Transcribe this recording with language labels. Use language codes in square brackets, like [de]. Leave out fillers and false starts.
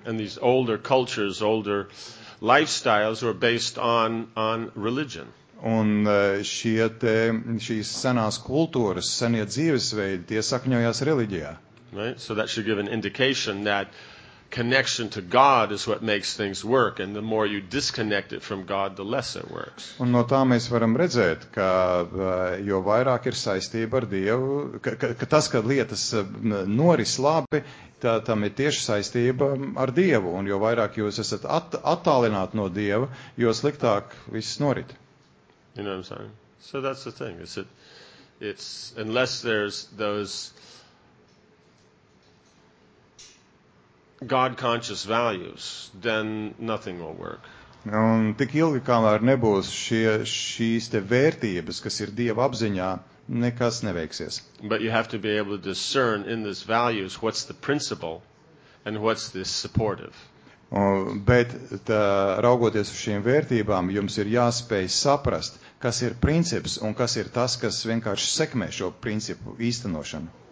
[en] And these older cultures, older lifestyles were based on religion. [lv] Un šie te, šīs senās kultūras, senie dzīvesveidi, tie sakņojās reliģijā. [en] Right? So that should give an indication that connection to God is what makes things work, and the more you disconnect it from God, the less it works. [lv] Un no tā mēs varam redzēt, ka jo vairāk ir saistība ar Dievu, ka tas, kad lietas noris labi, tam ir tieši saistība ar Dievu, un jo vairāk jūs esat attālināti no Dieva, jo sliktāk viss norit. [en] You know what I'm saying? So that's the thing. It's unless there's those God-conscious values, then nothing will work. [lv] Un tik ilgi, kamēr nebūs šīs te vērtības, kas ir Dieva apziņā, nekas neveiksies. [en] But you have to be able to discern in this values what's the principle and what's the supportive. [lv] Bet raugoties uz šīm vērtībām, jums ir jāspēj saprast, kas ir princips un kas ir tas, kas vienkārši sekmē šo principu īstenošanu.